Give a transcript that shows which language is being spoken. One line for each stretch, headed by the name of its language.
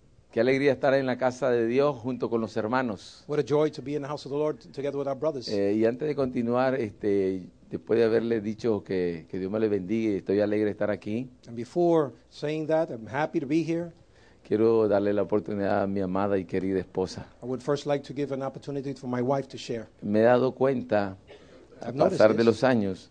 Spanish: Qué alegría estar en la casa de Dios junto con los hermanos.
English: What a joy to be in the house of the Lord together with our brothers.
Spanish: Y antes de continuar, después de haberle dicho que Dios me le bendiga, estoy alegre de estar aquí.
English: And before saying that, I'm happy to be here.
Spanish: Quiero darle la oportunidad a mi amada y querida esposa.
English: I would first like to give an opportunity for my wife to share.
Spanish: Me he dado cuenta, al pasar de los años,